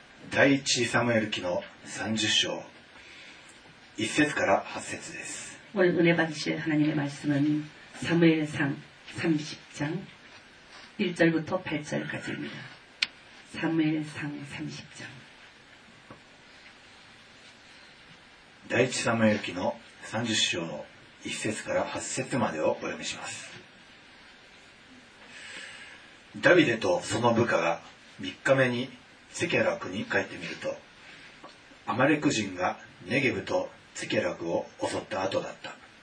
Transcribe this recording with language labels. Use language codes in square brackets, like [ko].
[ja] 第1サムエル記の30章1節から8節です。 [ko] 오늘은혜받으실하나님의말씀은사무엘상30장1절부터8절까지입니다사무엘상30장 [ja] 第一サムエル記の30章の1節から8節までをお読みします。ダビデとその部下が3日目にセケラクに帰ってみると、アマレク人がネゲブとセケラクを襲った後だった。